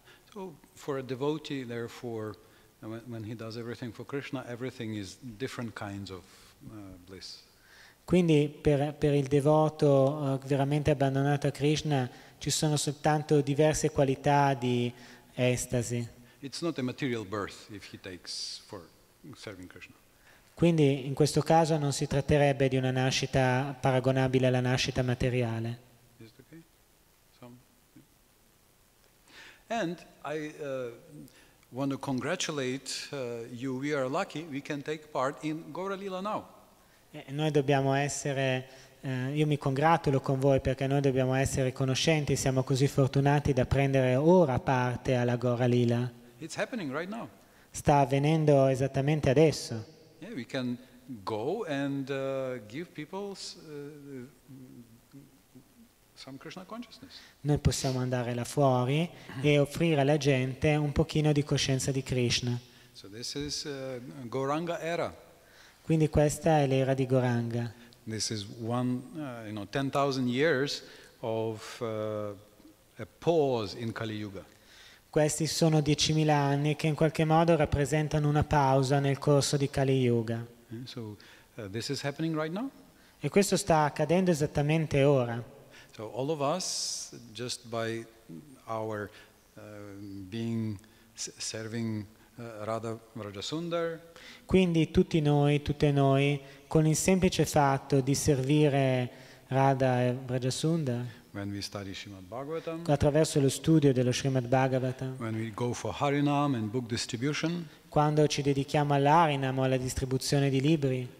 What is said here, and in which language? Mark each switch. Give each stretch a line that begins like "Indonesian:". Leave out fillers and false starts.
English: So for a devotee, therefore, when he does everything for Krishna, everything is different kinds of bliss.
Italian: Quindi per il devoto veramente abbandonato a Krishna ci sono soltanto diverse qualità di estasi.
English: It's not a material birth if he takes for serving Krishna.
Italian: Quindi in questo caso non si tratterebbe di una nascita paragonabile alla nascita materiale.
English: Is it okay? And I want to congratulate you. We are lucky. We can take part in Gauralila now.
Italian: Noi dobbiamo essere, io mi congratulo con voi perché noi dobbiamo essere riconoscenti, siamo così fortunati da prendere ora parte alla Gauralila.
English: It's happening right now.
Italian: Sta avvenendo esattamente adesso.
English: Yeah, we can go and give people some Krishna consciousness.
Italian: Noi possiamo andare là fuori e offrire alla gente un pochino di coscienza di Krishna.
English: So this is Gauranga era.
Italian: Quindi questa è l'era di Gauranga.
English: This is one, you know, 10,000 years of a pause in Kali Yuga.
Italian: Questi sono 10,000 anni che in qualche modo rappresentano una pausa nel corso di Kali Yuga.
English: So, this is happening right now.
Italian: E questo sta accadendo esattamente ora.
English: So all of us, just by our being serving Radha Vrajasundar.
Italian: Quindi tutti noi, tutte noi, con il semplice fatto di servire Radha e Vrajasundar.
English: When we study Srimad Bhagavatam,
Italian: attraverso lo studio dello Srimad Bhagavatam,
English: when we go for Harinam and book distribution,
Italian: quando ci dedichiamo all'Harinam o alla distribuzione di libri,